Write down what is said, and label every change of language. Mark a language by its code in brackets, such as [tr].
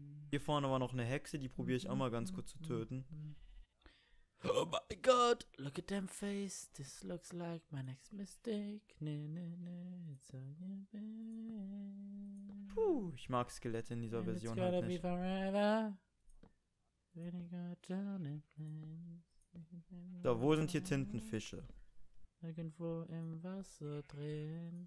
[de] Hier vorne war noch eine Hexe, die probiere ich auch mal ganz kurz zu töten. [en] Oh my god! Look at them face. This looks like my next mistake. [de] Nee, nee, nee. [en] It's all you been. [de] Puh, ich mag Skelette in dieser Version halt nicht. [en] It's gonna be forever. When you go down in flames. [de] So, wo sind hier Tintenfische? Irgendwo im Wasser drin.